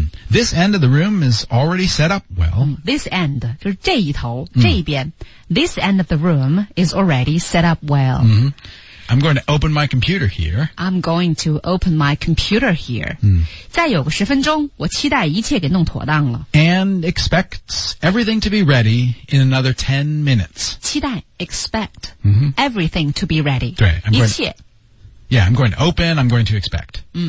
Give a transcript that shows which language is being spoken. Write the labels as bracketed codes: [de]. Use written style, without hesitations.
[en] This end of the room is already set up well. This end, [zh] 就是这一头,这一边。 [en] This end of the room is already set up well. I'm going to open my computer here. I'm going to open my computer here. [zh] 再有个10分钟,我期待一切给弄妥当了。 [en] And expects everything to be ready in another 10 minutes. 期待, expect, everything to be ready. 对, I'm going to open, I'm going to expect.